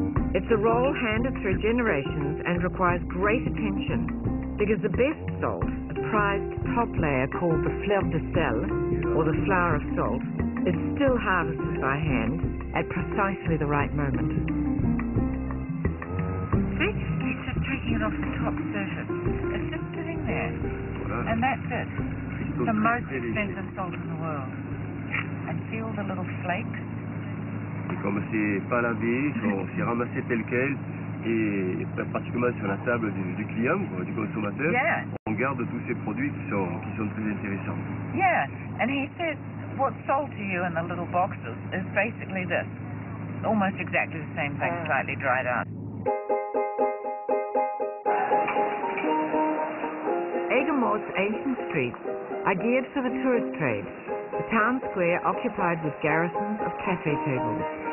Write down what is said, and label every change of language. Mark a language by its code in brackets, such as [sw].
[en] It's a role handed through generations and requires great attention because the best salt, a prized top layer called the fleur de sel, or the flower of salt, is still harvested by hand at precisely the right moment. See, he's just taking it off the top surface. It's just sitting there. And that's it. It's the most expensive salt in the world. And see all the little flakes? [fr] C'est comme si pas lavé, c'est ramassé tel quel. Et particulièrement sur la table du client, quoi, du consommateur, [en] yeah. [fr] On garde tous ces produits qui sont très intéressants. [en] Yeah, and he says, what sold to you in the little boxes is basically this. Almost exactly the same thing, slightly dried out. Aiguemont's ancient streets are geared for the tourist trade, the town square occupied with garrisons of cafe tables.